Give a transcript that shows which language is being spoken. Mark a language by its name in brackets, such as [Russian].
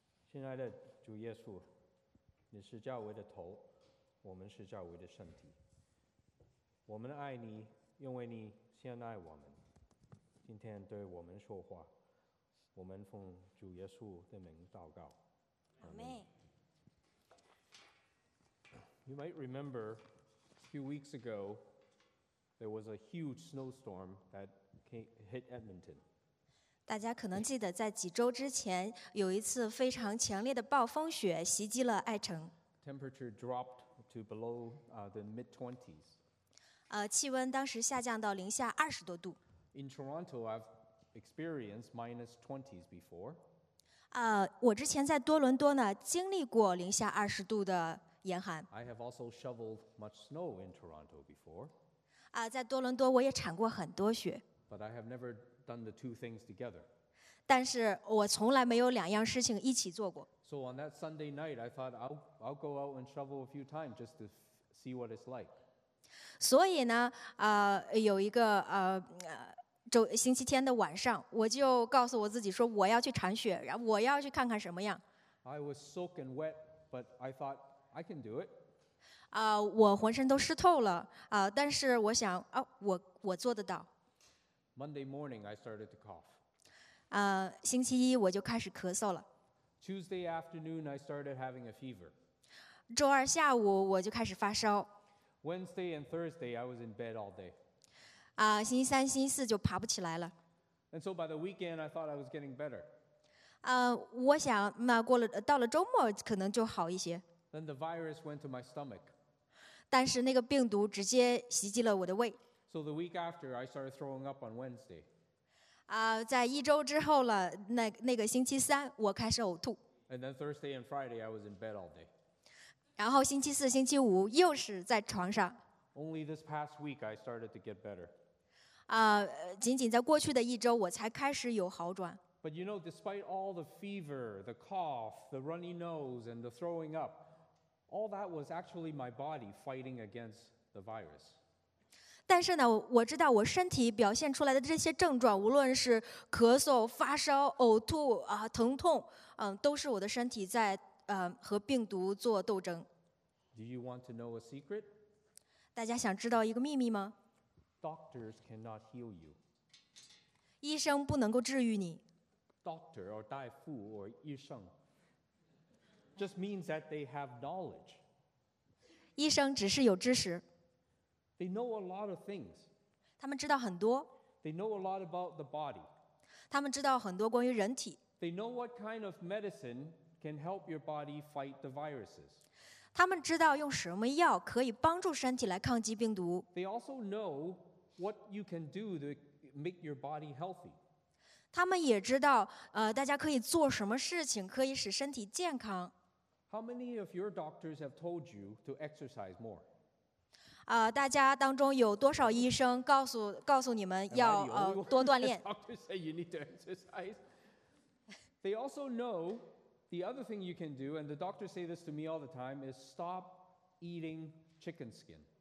[Chinese] 亲爱的主耶稣，你是教会的头，我们是教会的身体。我们爱你，因为你先爱我们。今天对我们说话，我们奉主耶稣的名祷告。阿门。 [English] You might remember a few weeks ago. There was a huge snowstorm that hit Edmonton. [Chinese] 大家可能记得，在几周之前，有一次非常强烈的暴风雪袭击了爱城。 [English] Temperature dropped to below the mid 20s. [Chinese] 气温当时下降到零下二十多度。 [English] In Toronto, I've experienced minus 20s before. [Chinese] 我之前在多伦多呢，经历过零下二十度的严寒。 [English] I have also shoveled much snow in Toronto before. [Chinese] 在多伦多我也铲过很多雪。 [English] But I have never done the two things together. [Chinese] 但是我从来没有两样事情一起做过。 [English] So on that Sunday night, I thought I'll go out and shovel a few times just to see what it's like. [Chinese] 所以呢，有一个周星期天的晚上，我就告诉我自己说我要去铲雪，然后我要去看看什么样。 [English] I was soaking wet, but I thought I can do it. [Chinese] 我浑身都湿透了，但是我想，我做得到。 [English] Monday morning, I started to cough. [Chinese] 星期一我就开始咳嗽了。 [English] Tuesday afternoon, I started having a fever. [Chinese] 周二下午我就开始发烧。 [English] Wednesday and Thursday, I was in bed all day. [Chinese] 星期三、星期四就爬不起来了。 [English] And so by the weekend, I thought I was getting better. [Chinese] 我想，那过了，到了周末可能就好一些。 [English] Then the virus went to my stomach. [Chinese] 但是那个病毒直接袭击了我的胃。 [English] So the week after, I started throwing up on Wednesday. [Chinese] 在一周之后了，那个星期三，我开始呕吐。 [English] And then Thursday and Friday, I was in bed all day. [Chinese] 然后星期四、星期五又是在床上。 [English] Only this past week, I started to get better. [Chinese] 仅仅在过去的一周，我才开始有好转。 [English] But you know, despite all the fever, the cough, the runny nose, and the throwing up, all that was actually my body fighting against the virus. [Chinese] 但是呢，我知道我身体表现出来的这些症状，无论是咳嗽、发烧、呕吐啊、疼痛，都是我的身体在和病毒做斗争。 [English] Do you want to know a secret? [Chinese] 大家想知道一个秘密吗？ [English] Doctors cannot heal you. [Chinese] 医生不能够治愈你。 [English] Doctor or 大夫 or 医生 just means that they have knowledge. [Chinese] 医生只是有知识。 [English] They know a lot of things. [Chinese] 他们知道很多。 [English] They know a lot about the body. [Chinese] 他们知道很多关于人体。 [English] They know what kind of medicine can help your body fight the viruses. [Chinese] 他们知道用什么药可以帮助身体来抗击病毒。 [English] They also know what you can do to make your body healthy. [Chinese] 他们也知道，大家可以做什么事情可以使身体健康。 [English] How many of your doctors have told you to exercise more? [Chinese] 大家当中有多少医生告诉你们要多锻炼 [English] ？Doctors say you need to exercise. They also know the other thing you can do, and the doctors say this to me all the time, is stop eating chicken skin.